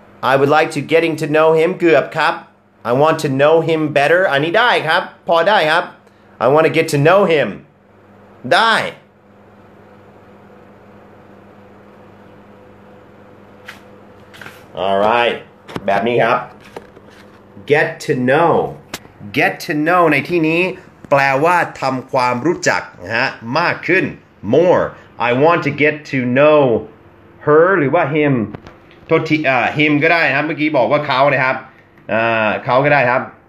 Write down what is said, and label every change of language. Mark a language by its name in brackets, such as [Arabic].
[English] I would like to getting to know him [Thai] เกือบครับ [English] I want to know him better. [Thai] อันนี้ได้ครับพอได้ครับ [English] I want to get to know him. [Thai] ได้ [English] All right. [Thai] แบบนี้ครับget to know ในที่นี้แปลว่าทำความรู้จักนะฮะมากขึ้น more [English] I want to get to know her [Thai] หรือว่า him โทษทีhim ก็ได้นะครับเมื่อกี้บอกว่าเขานะครับเขาก็ได้ครับ